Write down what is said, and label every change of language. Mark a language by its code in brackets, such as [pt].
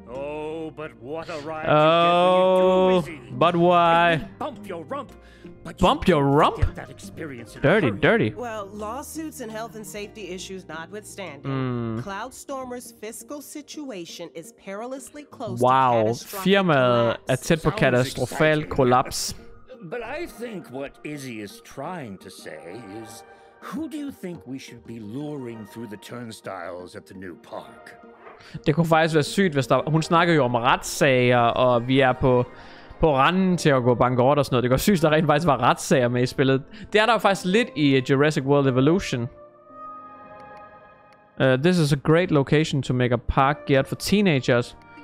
[en] Oh, but what a ride you get when you're too busy. But why? Bump your rump. Bump your rump? Get that experience in dirty, dirty. Well, lawsuits and health and safety issues notwithstanding, Cloudstormer's fiscal situation is perilously close to catastrophic collapse. [da] Wow, firma er tæt på katastrofal kollaps. [en] But I think what Izzy is trying to say is, who do you think we should be luring through the turnstiles at the new park? [da] Det kunne faktisk være sygt, hvis der... Hun snakker jo om retssager, og vi er på randen til at gå bankerot og sådan noget. Det går sygt, der rent faktisk var retssager med i spillet. Det er der jo faktisk lidt i Jurassic World Evolution. [en] This is a great location to make a park geared for teenagers.